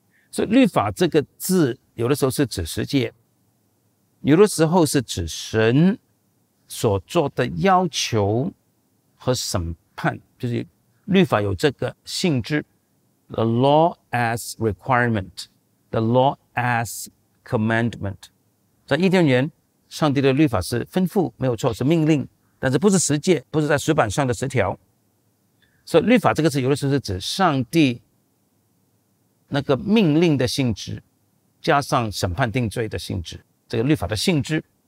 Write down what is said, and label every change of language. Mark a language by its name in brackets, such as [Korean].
[Chinese] 所以律法这个字有的时候是指十诫，有的时候是指神所做的要求和审判，就是律法有这个性质。 [English] The law as requirement, the law as commandment。 [Chinese] 在伊甸园，上帝的律法是吩咐，没有错，是命令，但是不是十诫，不是在石板上的十条。所以律法这个字有的时候是指上帝那个命令的性质，加上审判定罪的性质，这个律法的性质。